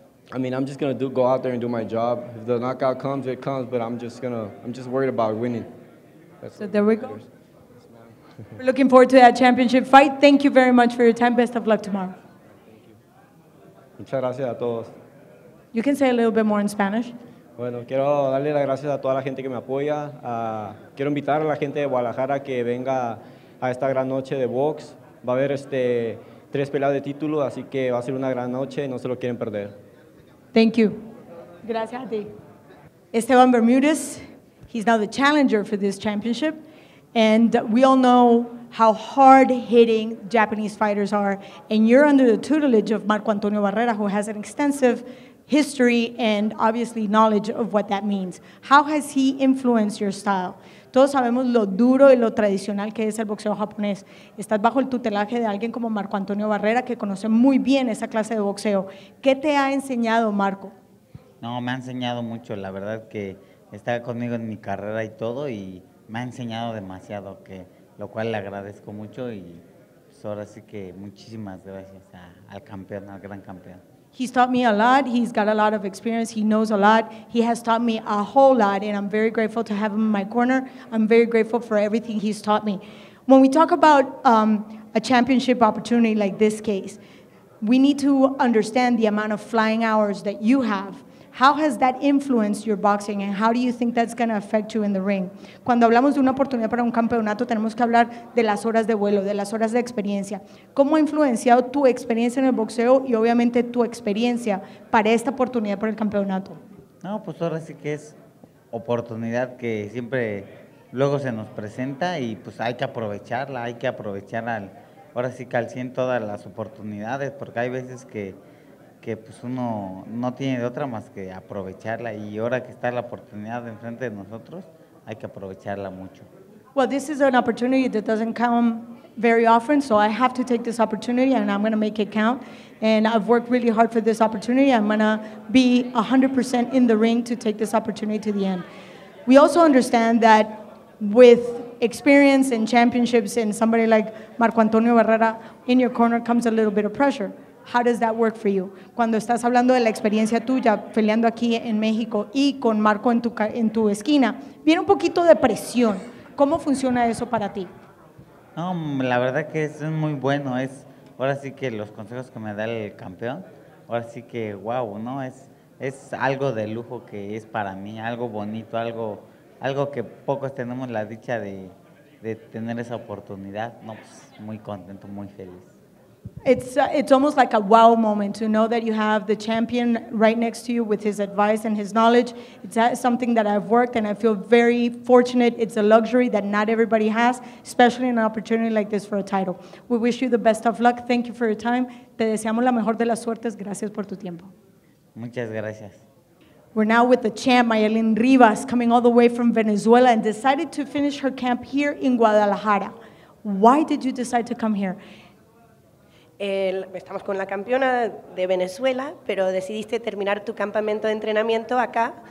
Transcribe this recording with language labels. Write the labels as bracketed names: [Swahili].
[English] I mean, I'm just going to go out there and do my job. If the knockout comes, it comes, but I'm just worried about winning. So there we go. We're looking forward to that championship fight. Thank you very much for your time. Best of luck tomorrow. Thank you. [Spanish] Muchas gracias a todos. [English] You can say a little bit more in Spanish. [Spanish] Bueno, quiero darle las gracias a toda la gente que me apoya. Quiero invitar a la gente de Guadalajara que venga a esta gran noche de box. Va a haber tres peleas de título, así que va a ser una gran noche. No se lo quieren perder. [English] Thank you. [Spanish] Gracias a ti. [English] Esteban Bermudez, he's now the challenger for this championship. And we all know how hard-hitting Japanese fighters are, and you're under the tutelage of Marco Antonio Barrera, who has an extensive history and obviously knowledge of what that means. How has he influenced your style? [Spanish] Todos sabemos lo duro y lo tradicional que es el boxeo japonés. Estás bajo el tutelaje de alguien como Marco Antonio Barrera, que conoce muy bien esa clase de boxeo. ¿Qué te ha enseñado, Marco? No, me ha enseñado mucho. La verdad que está conmigo en mi carrera y todo, y me ha enseñado demasiado, que lo cual le agradezco mucho. Y pues ahora sí que muchísimas gracias al campeón, al gran campeón. [English] He's taught me a lot. He's got a lot of experience. He knows a lot. He has taught me a whole lot, and I'm very grateful to have him in my corner. I'm very grateful for everything he's taught me. When we talk about a championship opportunity like this case, we need to understand the amount of flying hours that you have. How has that influenced your boxing, and how do you think that's going to affect you in the ring? [Spanish] Cuando hablamos de una oportunidad para un campeonato, tenemos que hablar de las horas de vuelo, de las horas de experiencia. ¿Cómo ha influenciado tu experiencia en el boxeo y obviamente tu experiencia para esta oportunidad por el campeonato? No, pues ahora sí que es oportunidad que siempre luego se nos presenta y pues hay que aprovechar ahora sí que al 100 todas las oportunidades, porque hay veces que pues uno no tiene de otra más que aprovecharla, y ahora que está la oportunidad de enfrente de nosotros, hay que aprovecharla mucho. [English] Well, this is an opportunity that doesn't come very often, so I have to take this opportunity and I'm going to make it count. And I've worked really hard for this opportunity. I'm going to be 100% in the ring to take this opportunity to the end. We also understand that with experience and championships and somebody like Marco Antonio Barrera in your corner comes a little bit of pressure. How does that work for you? [Spanish] Cuando estás hablando de la experiencia tuya peleando aquí en México y con Marco en tu esquina, viene un poquito de presión. ¿Cómo funciona eso para ti? No, la verdad que es muy bueno. Es ahora sí que los consejos que me da el campeón, ahora sí que wow, ¿no? Es algo de lujo que es para mí, algo bonito, algo que pocos tenemos la dicha de tener esa oportunidad. No, pues muy contento, muy feliz. [English] It's almost like a wow moment to know that you have the champion right next to you with his advice and his knowledge. It's something that I've worked and I feel very fortunate. It's a luxury that not everybody has, especially in an opportunity like this for a title. We wish you the best of luck. Thank you for your time. [Spanish] Te deseamos la mejor de las suertes. Gracias por tu tiempo. Muchas gracias. [English] We're now with the champ, Mayelin Rivas, coming all the way from Venezuela and decided to finish her camp here in Guadalajara. Why did you decide to come here? [Spanish] Estamos con la campeona de Venezuela, pero decidiste terminar tu campamento de entrenamiento acá.